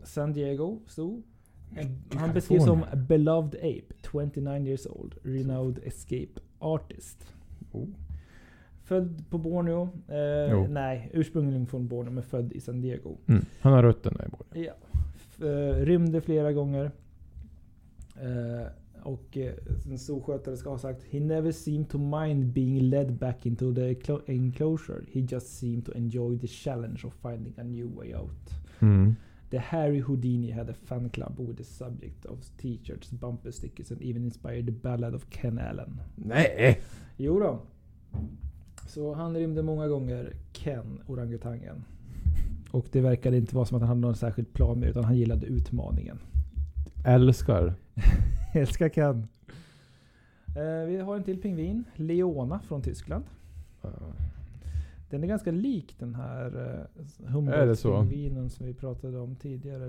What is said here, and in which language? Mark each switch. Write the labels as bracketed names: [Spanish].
[English] San Diego Zoo. [Swedish] Han beskrivs som [English] a beloved ape, 29 years old, renowned escape artist. Oh. [Swedish] Född på Borneo. Ursprungligen från Borneo men född i San Diego. Mm. Han har rötterna i Borneo. Ja. Rymde flera gånger. Och sin zooskötare ska ha sagt: [English] "He never seemed to mind being led back into the enclosure. He just seemed to enjoy the challenge of finding a new way out." Mm. The Harry Houdini had a fan club with the subject of t-shirts, bumper stickers and even inspired the ballad of Ken Allen. [Swedish] Nej! Jo då. Så han rymde många gånger, Ken, orangutangen. Och det verkade inte vara som att han hade någon särskild plan med, utan han gillade utmaningen. Älskar. Älskar Ken. Vi har en till pingvin, Leona från Tyskland. Den är ganska lik den här humboldtpingvinen som vi pratade om tidigare.